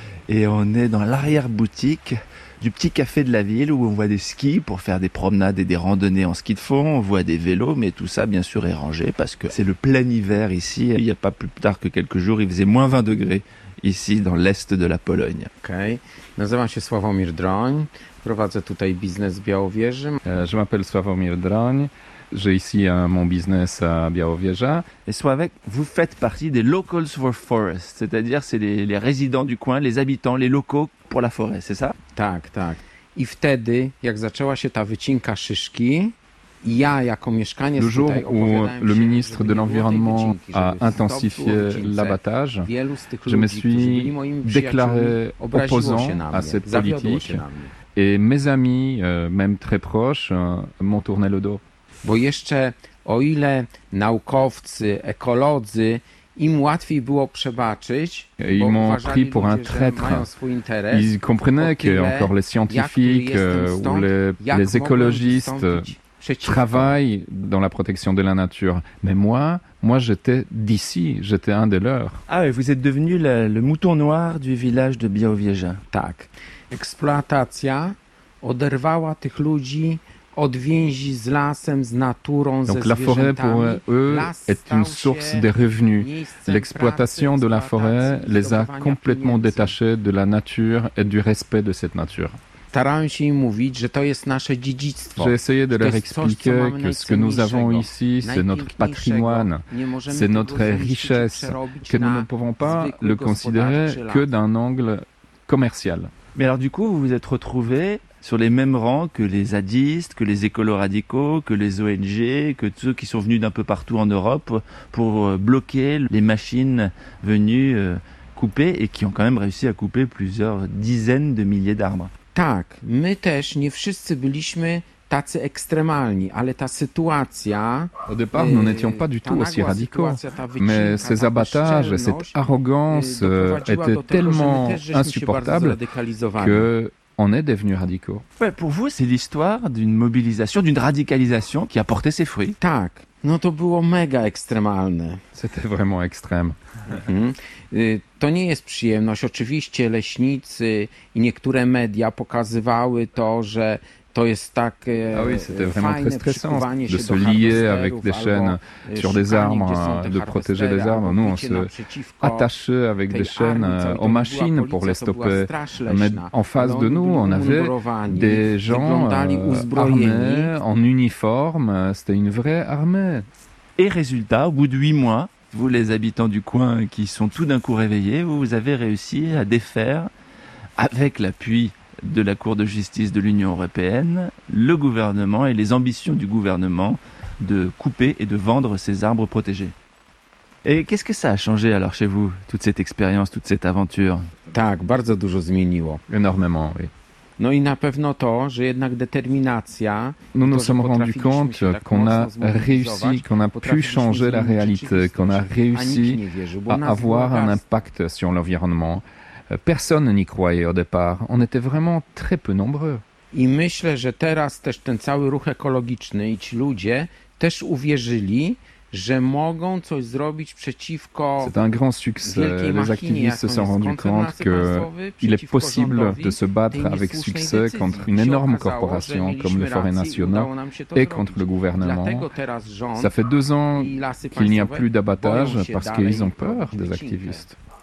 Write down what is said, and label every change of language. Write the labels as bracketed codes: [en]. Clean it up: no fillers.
[fr] Et on est dans l'arrière-boutique du petit café de la ville où on voit des skis pour faire des promenades et des randonnées en ski de fond. On voit des vélos, mais tout ça, bien sûr, est rangé parce que c'est le plein hiver ici. Il n'y a pas plus tard que quelques jours, il faisait moins 20 degrés ici, dans l'est de la Pologne. Ok. [pl] Nazywam się Sławomir Droń. Prowadzę tutaj biznes w Białowieży. [fr] Je m'appelle Sławomir Droń. J'ai ici mon business à Białowieża. Et soit avec, vous faites partie des locals for forest, c'est-à-dire c'est les résidents du coin, les habitants, les locaux pour la forêt, c'est ça? [pl] Tak, tak. I wtedy, jak zaczęła się ta wycinka szyszki, ja jako mieszkaniec tutaj opowiadałem się, [fr] où le ministre de l'environnement a intensifié l'abattage, je me suis déclaré opposant à cette politique. Et mes amis, même très proches, m'ont tourné le dos. [pl] Bo jeszcze o ile naukowcy, ekolodzy, im łatwiej było przebaczyć, [fr] ils m'ont pris pour un traître. Ils comprenaient que encore les scientifiques ou les écologistes travaillent dans la protection de la nature. Mais moi j'étais d'ici, j'étais un des leurs. Ah oui, vous êtes devenu le mouton noir du village de Białowieża. [pl] Tak. Eksploatacja oderwała tych ludzi. [fr] Donc la forêt pour eux est une source des revenus. L'exploitation de la forêt les a complètement détachés de la nature et du respect de cette nature. J'ai essayé de leur expliquer que ce que nous avons ici, c'est notre patrimoine, c'est notre richesse, que nous ne pouvons pas le considérer que d'un angle commercial. Mais alors du coup, vous vous êtes retrouvé sur les mêmes rangs que les zadistes, que les écolos radicaux, que les ONG, que tous ceux qui sont venus d'un peu partout en Europe pour bloquer les machines venues couper et qui ont quand même réussi à couper plusieurs dizaines de milliers d'arbres. [pl] Tak, my też nie wszyscy byliśmy tacy ekstremalni, ale ta sytuacja. [fr] Au départ, nous n'étions pas du tout aussi radicaux, mais ces abattages, cette arrogance étaient tellement insupportables que on est devenus radicaux. Ouais, pour vous, c'est l'histoire d'une mobilisation, d'une radicalisation qui a porté ses fruits. [pl] Tak. No to było mega ekstremalne. [fr] C'était vraiment extrême. [pl] To nie jest przyjemność. Oczywiście leśnicy i niektóre media pokazywały to, że [fr] Ah oui, c'était vraiment très stressant de se lier avec des chaînes sur des arbres, de protéger des arbres. Nous, on se attachait avec des chaînes aux machines pour les stopper. Mais en face de nous, on avait des gens armés, en uniforme. C'était une vraie armée. Et résultat, au bout de 8 mois, vous, les habitants du coin qui sont tout d'un coup réveillés, vous avez réussi à défaire, avec l'appui de la Cour de justice de l'Union européenne, le gouvernement et les ambitions du gouvernement de couper et de vendre ces arbres protégés. Et qu'est-ce que ça a changé alors chez vous, toute cette expérience, toute cette aventure ? [pl] Tak, bardzo dużo zmieniło. [fr] Énormément, oui. [pl] No i na pewno to, że jednak determinacja. [fr] Nous nous sommes rendus compte qu'on a réussi, qu'on a pu changer la réalité, qu'on a réussi à avoir un impact sur l'environnement. Personne n'y croyait au départ. On était vraiment très peu nombreux. [pl] I myślę, że teraz też ten cały ruch ekologiczny i ci ludzie też uwierzyli, że mogą coś zrobić przeciwko. [fr] C'est un grand succès. Les activistes se sont rendus compte qu'il est possible de se battre avec succès contre une énorme corporation comme le Forêt National et contre le gouvernement. Ça fait 2 ans qu'il n'y a plus d'abattage parce qu'ils ont peur des activistes.